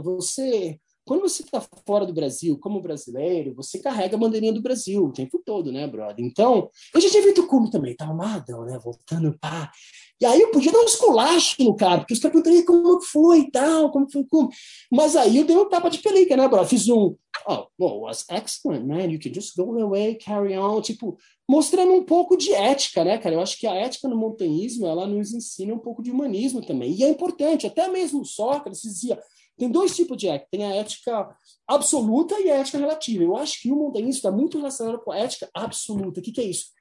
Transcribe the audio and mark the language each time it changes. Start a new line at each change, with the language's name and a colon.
Portuguese: Você, quando você tá fora do Brasil, como brasileiro, você carrega a bandeirinha do Brasil o tempo todo, né, brother? Então, eu já tinha feito cume também, tava amarradão, né? Voltando, pá. E aí eu podia dar um esculacho no cara, porque os caras perguntaram como foi e tal, como foi o cume. Mas aí eu dei um tapa de pelica, né, brother? Fiz um...
English: Oh, well, that's excellent, man. You can just go away, carry on.
Portuguese: Tipo, mostrando um pouco de ética, né, cara? Eu acho que a ética no montanhismo, ela nos ensina um pouco de humanismo também. E é importante. Até mesmo o Sócrates dizia... Tem dois tipos de ética. Tem a ética absoluta e a ética relativa. Eu acho que o montanhismo está muito relacionado com a ética absoluta. O que, que é isso?